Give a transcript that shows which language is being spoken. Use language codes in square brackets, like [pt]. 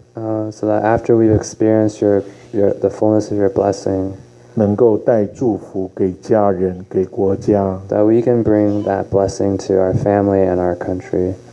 [en] So that after we've experienced the fullness of your blessing, [zh] 能够带祝福给家人，给国家， [en] that we can bring that blessing to our family and our country.